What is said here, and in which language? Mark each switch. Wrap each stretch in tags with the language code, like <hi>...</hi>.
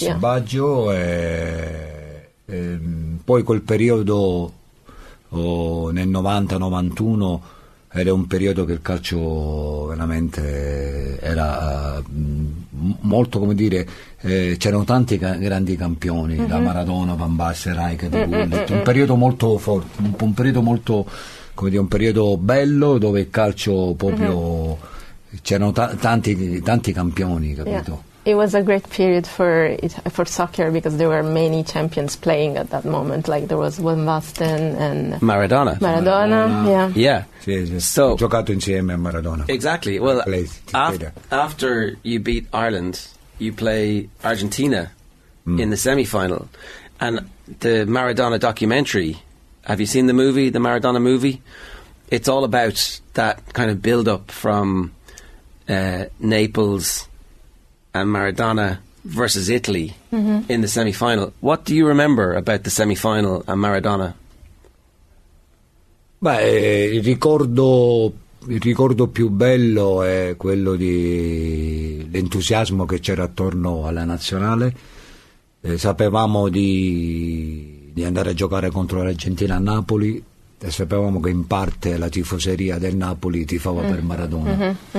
<it>yes, Baggio e poi quel periodo nel 90-91 era un periodo che il calcio veramente era molto, come dire, c'erano tanti grandi campioni, da Maradona, Van Basten, Rijkaard, un periodo molto forte, un periodo molto, come dire, un periodo bello dove il calcio proprio c'erano tanti campioni, capito?</it> <en>Yeah. It was a great period for soccer because there were many champions playing at that moment. Like there was Van Basten and Maradona. Yeah.</en> <it>So giocato insieme a Maradona.</it> <en>Exactly. Well, after you beat Ireland, you play Argentina in the semi-final, and the Maradona documentary. Have you seen the movie, the Maradona movie? It's all about that kind of build up from Naples and Maradona versus Italy in the semi-final. What do you remember about the semi-final and Maradona?</en> <it>Beh, il ricordo più bello è quello di l'entusiasmo che c'era attorno alla nazionale. Sapevamo di andare a giocare contro l'Argentina a Napoli e sapevamo che in parte la tifoseria del Napoli tifava per Maradona.</it>